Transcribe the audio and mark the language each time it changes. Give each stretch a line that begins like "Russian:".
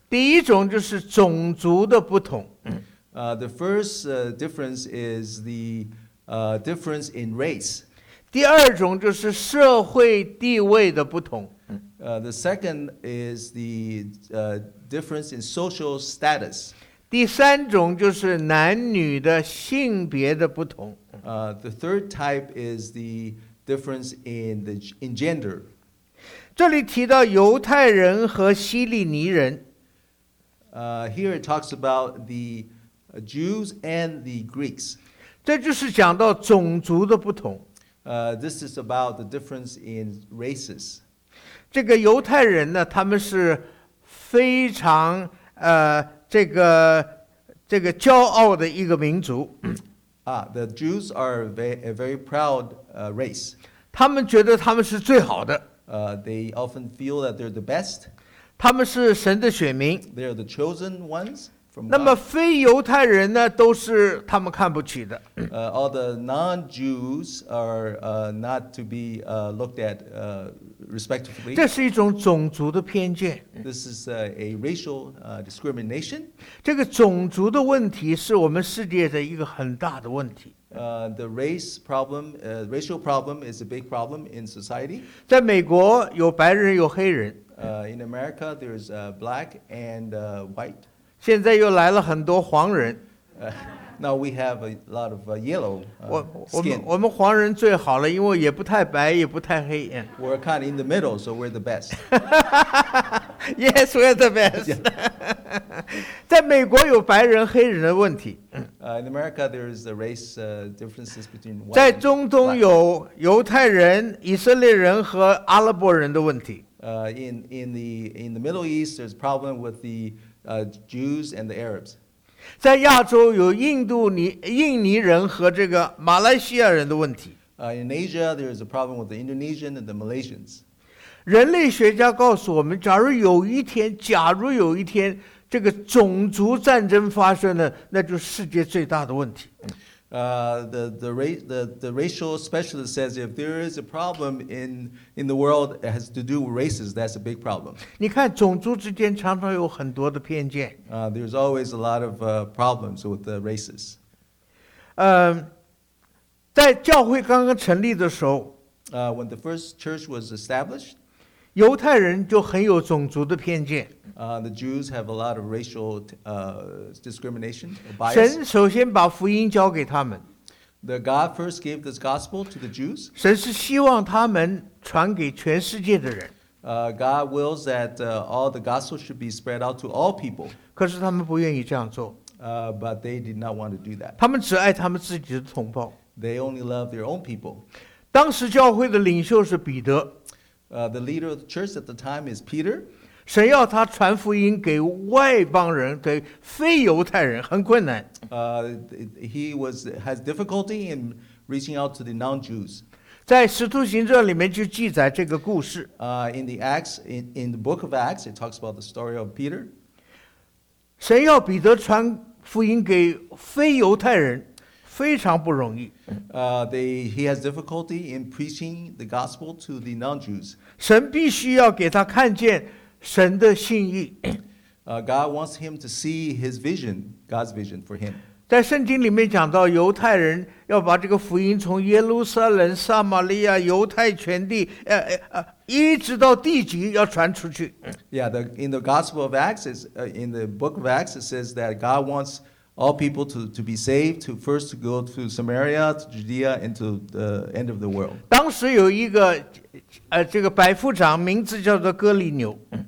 Chinese: 第一种就是种族的不同。
English: The first difference is the difference in race.
Chinese: 第二种就是社会地位的不同。
English: The second is the difference in social status.
Chinese: 第三种就是男女的性别的不同。
English: The third type is the difference in gender.
Chinese: 这里提到犹太人和希利尼人。
English: Here it talks about the Jews and the Greeks.
Chinese: 这就是讲到种族的不同。
English: This is about the difference in races.
Chinese: 这个犹太人呢，他们是非常这个骄傲的一个民族。
English: The Jews are a very proud race.
Chinese: 他们觉得他们是最好的。
English: They often feel that they're the best.
Chinese: 他们是神的选民。
English: They're the chosen ones. from God.
Chinese: 那么非犹太人呢，都是他们看不起的。
English: All the non-Jews are not to be looked at respectfully.
Chinese: 这是一种种族的偏见。
English: This is a racial discrimination.
Chinese: 这个种族的问题是我们世界的一个很大的问题。
English: The race problem, racial problem is a big problem in society.
Chinese: 在美国有白人有黑人。
English: In America, there is black and white.
Chinese: 现在又来了很多黄人。
English: Now we have a lot of yellow skin.
Chinese: 我们黄人最好了，因为也不太白，也不太黑。
English: We're kind of in the middle, so we're the best. Yes, we're the best.
Chinese: 在美国有白人黑人的问题。
English: In America, there is the race differences between white.
Chinese: 在中东有犹太人、以色列人和阿拉伯人的问题。
English: In the Middle East, there's a problem with the Jews and the Arabs.
Chinese: 在亚洲有印尼人和这个马来西亚人的问题。
English: In Asia, there is a problem with the Indonesians and the Malaysians.
Chinese: 人类学家告诉我们，假如有一天这个种族战争发生了，那就是世界最大的问题。
English: The racial specialist says if there is a problem in the world that has to do with races, that's a big problem.
Chinese: 你看种族之间常常有很多的偏见。
English: There's always a lot of problems with the races.
Chinese: 在教会刚刚成立的时候
English: ，when the first church was established,
Chinese: 犹太人就很有种族的偏见。
English: The Jews have a lot of racial discrimination, bias.
Chinese: 神首先把福音交给他们。
English: The God first gave this gospel to the Jews.
Chinese: 神是希望他们传给全世界的人。
English: God wills that all the gospel should be spread out to all people.
Chinese: 可是他们不愿意这样做。
English: But they did not want to do that.
Chinese: 他们只爱他们自己的同胞。
English: They only love their own people.
Chinese: 当时教会的领袖是彼得。
English: The leader of the church at the time is Peter.
Chinese: 神要他传福音给外邦人，给非犹太人，很困难。
English: He has difficulty in reaching out to the non-Jews.
Chinese: 在《使徒行传》里面就记载这个故事。
English: In the book of Acts, it talks about the story of Peter.
Chinese: 神要彼得传福音给非犹太人，非常不容易。
English: He has difficulty in preaching the gospel to the non-Jews.
Chinese: 神必须要给他看见。神的心意。
English: God wants him to see his vision, God's vision for him.
Chinese: 在圣经里面讲到犹太人要把这个福音从耶路撒冷、撒玛利亚、犹太全地一直到地极要传出去。
English: Yeah, in the Gospel of Acts, in the book of Acts, it says that God wants all people to be saved, to first go to Samaria, to Judea, and to the end of the world.
Chinese: 当时有一个这个百夫长名字叫做哥利牛。